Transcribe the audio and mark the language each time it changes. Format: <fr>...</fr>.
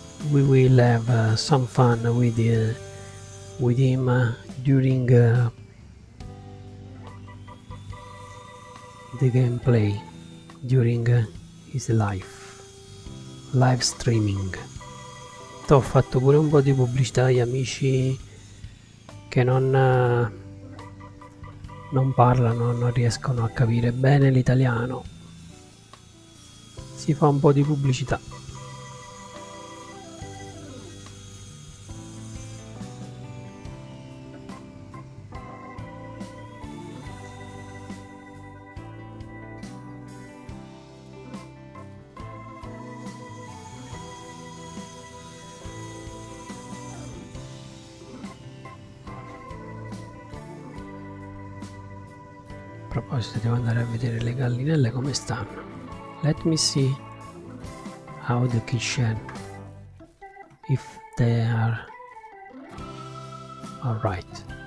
<en>We will have some fun with him during the gameplay, during his life live streaming.</en> <it>T'ho fatto pure un po' di pubblicità agli amici che non parlano, non riescono a capire bene l'italiano. Si fa un po' di pubblicità. Devo andare a vedere le gallinelle come stanno.</it> <en>Let me see how the kitchen, if they are all right.</en>